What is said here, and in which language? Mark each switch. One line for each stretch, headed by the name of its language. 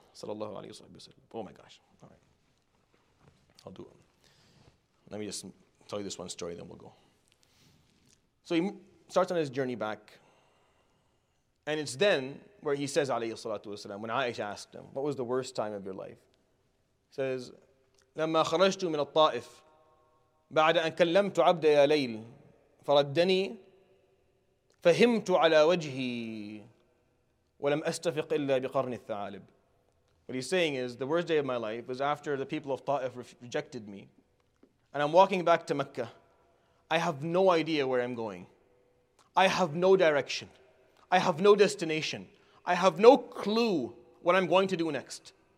English: Sallallahu alayhi wa sallam. Oh my gosh. All right. I'll do it. Let me just tell you this one story, then we'll go. So he starts on his journey back, and it's then where he says, alayhi salatu wa sallam, when Aisha asked him, "What was the worst time of your life?" He says,
Arabic: "لما خرجت من الطائف بعد أن كلمت عبد يا ليل فردني فهمت على وجهي ولم أستفق إلا بقرن الثعالب."
English: What he's saying is, the worst day of my life was after the people of Ta'if rejected me, and I'm walking back to Mecca. I have no idea where I'm going. I have no direction. I have no destination. I have no clue what I'm going to do next.